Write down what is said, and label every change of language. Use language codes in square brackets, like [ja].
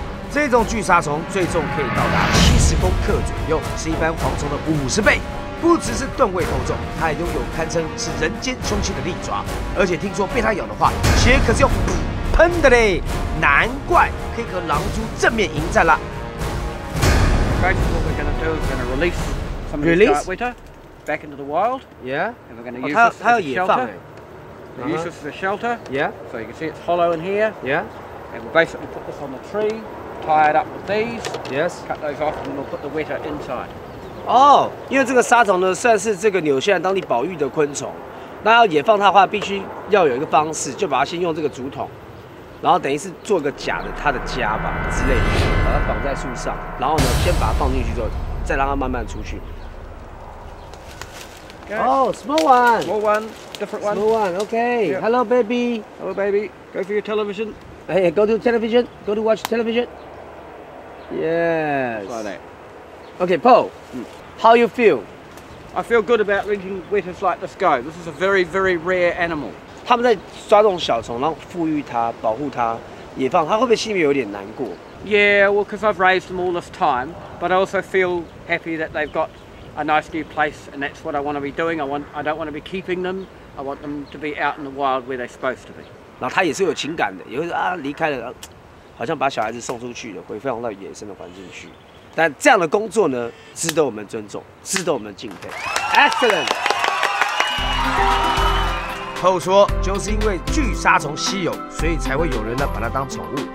[zh] 这种巨杀虫最重可以到达70公克左右，是一般蝗虫的50倍。不只是吨位厚重，它还拥有堪称是人间凶器的利爪。而且听说被它咬的话，血可是用喷的嘞。难怪可以和狼蛛正面迎战啦。 [en] Basically, what we're going to do is going to release some of the Waka back into the wild. Yeah. And we're going to use this as a shelter. Use this as a shelter. Yeah. So you can see it's hollow in here. Yeah. And we basically put this on the tree. Tie it up with these. Yes. Cut those off, and we'll put the Waka inside. Oh, because this [zh] 沙虫呢，算是这个纽西兰当地保育的昆虫。那要野放它的话，必须要有一个方式，就把它先用这个竹筒，然后等于是做个假的它的家吧之类的，把它绑在树上，然后呢，先把它放进去之后，再让它慢慢出去。 [en] Okay. Oh, small one. Small one, different one. Small one. Okay.、Yep. Hello, baby. Hello, baby. Go for your television. Hey, go to television. Go to watch television. Yes. Like that. Okay, Paul.、Mm. How you feel? I feel good about letting wetters like this go. This is a very, very rare animal. [zh] 他们在抓这种小虫，然后富裕它，保护它，野放它，会不会心里有点难过 [en] ？Yeah, well, because I've raised them all this time, but I also feel happy that they've got a nice new place, and that's what I want to be doing. I don't want to be keeping them. I want them to be out in the wild where they're supposed to be. [zh] 然后他也是有情感的，也会说啊离开了，好像把小孩子送出去了，回放到野生的环境去。但这样的工作呢，值得我们尊重，值得我们敬佩。Excellent。 [en] Oh, [zh] Cole 说，就是因为巨沙虫稀有，所以才会有人呢把它当宠物。